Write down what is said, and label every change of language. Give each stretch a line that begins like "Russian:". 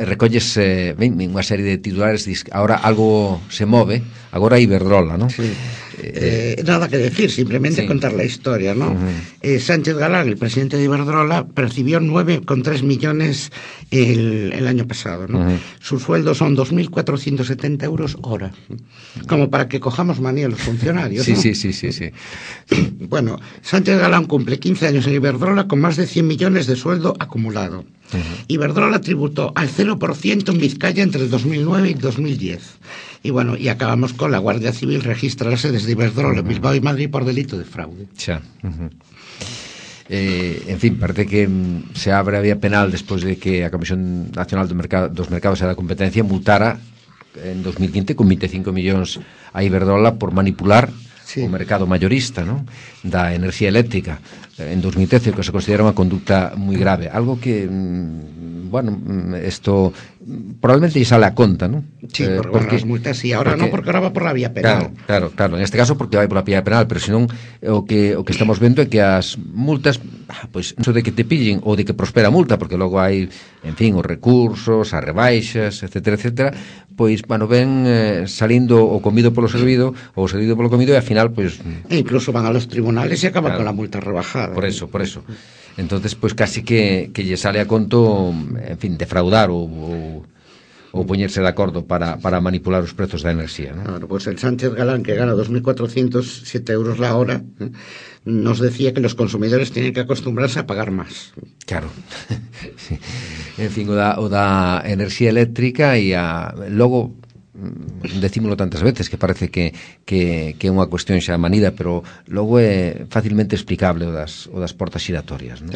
Galician: Recolles unha serie de titulares,
Spanish: ahora algo se move,
Galician: agora Iberdrola, ¿no?
Spanish: Sí. Nada que decir, simplemente sí. contar la historia, ¿no? Uh-huh. Sánchez Galán, el presidente de Iberdrola, percibió 9,3 millones el año pasado, ¿no? Uh-huh. Su sueldo son 2.470 euros hora, como para que cojamos manía los funcionarios, sí, ¿no? Sí, sí, sí, sí. Bueno, Sánchez Galán cumple 15 años en Iberdrola con más de 100 millones de sueldo acumulado. Uh-huh. Iberdrola tributó al 0% en Vizcaya entre el 2009 y 2010. Y bueno, y acabamos con la Guardia Civil registra las sedes de Iberdrola uh-huh. en Bilbao y Madrid por delito de fraude. Ya. Uh-huh. En fin, parece que se abre a vía penal después de que la Comisión Nacional de dos Mercados y la Competencia multara en 2015 con 25 millones a Iberdrola por manipular sí.
Galician: o mercado mayorista, ¿no? da enerxía eléctrica en 2013, que se considera unha conducta moi grave, algo que bueno, isto probablemente xa sale a conta, ¿no?
Spanish: Sí, porque as multas sí, ahora non, porque ahora va por la vía penal.
Galician: Claro, claro, claro, en este caso porque vai
Spanish: por la vía penal,
Galician: pero senón o que estamos vendo é que as multas, pois, pues, non de que te pillen ou de que prospera a multa, porque logo hai, en fin, os recursos, as rebaixas, etcétera, etcétera, pois, bueno, ven salindo o comido polo servido ou servido polo comido e al final, pois...
Spanish: Pues, e incluso van a los tribunales e acaban claro, con a multa rebajada.
Galician: Por eso, por eso. Entonces, pois, pues, casi que lle sale a conto, en fin, defraudar ou poñerse de acordo para manipular os prezos da enerxía, non?
Spanish: Claro, pois el Sánchez Galán, que gana 2.407 euros la hora, nos decía que los consumidores tienen que acostumbrarse a pagar más. Claro. Sí.
Galician: En fin, o da enerxía eléctrica e a logo decímolo tantas veces que parece que é unha cuestión xa manida, pero logo é fácilmente explicable o das portas xiratorias, ¿no?